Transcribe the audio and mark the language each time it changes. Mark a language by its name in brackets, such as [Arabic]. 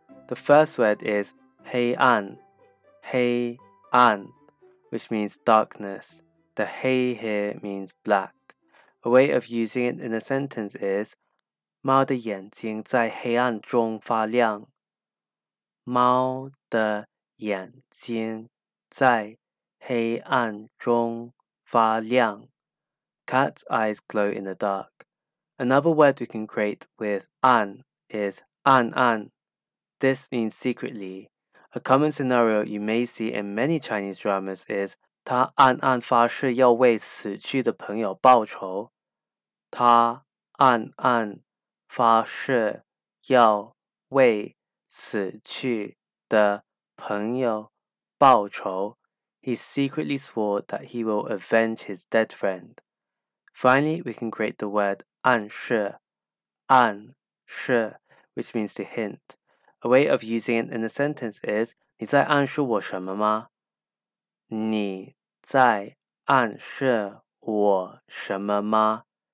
[English] The first word is 黑暗, 黑暗, which means darkness. The 黑 here means black. A way of using it in a sentence is [Chinese] 猫的眼睛在黑暗中发亮。猫的眼睛在黑暗中发亮。 [English] Cat's eyes glow in the dark. Another word we can create with 暗 is 暗暗. This means secretly. A common scenario you may see in many Chinese dramas is [Chinese] 他暗暗发誓要为死去的朋友报仇。他暗暗发誓要为死去的朋友报仇。 [English] He secretly swore that he will avenge his dead friend. Finally, we can create the word 暗示, 暗示, which means to hint. A way of using it in a sentence is [Chinese] 你在暗示我什么吗? 你在暗示我什么吗?